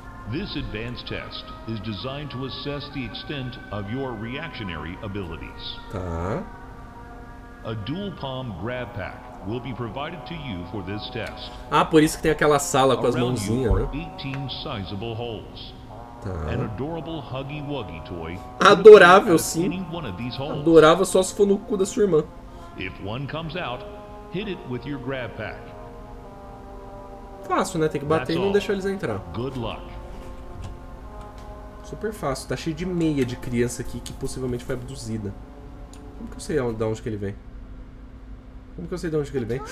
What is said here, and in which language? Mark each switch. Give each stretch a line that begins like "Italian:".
English: This advanced test is designed to assess the extent of your reactionary abilities.
Portuguese: Tá.
English: A dual palm grab pack will be provided to you for this test.
Portuguese: Ah, por isso que tem aquela sala com as mãozinhas,
English: around you are 18 sizable holes.
Portuguese: Tá.
English: An adorable huggy wuggy toy.
Portuguese: Adorável, sim. Adorava só se for no cu da sua irmã.
English: If one comes out, hit it with your grab pack.
Portuguese: Fácil, né? Tem que bater e não deixar eles entrar.
English: Good luck.
Portuguese: Super fácil. Tá cheio de meia de criança aqui que possivelmente foi abduzida. Como que eu sei de onde que ele vem? Como que eu sei de onde que ele vem?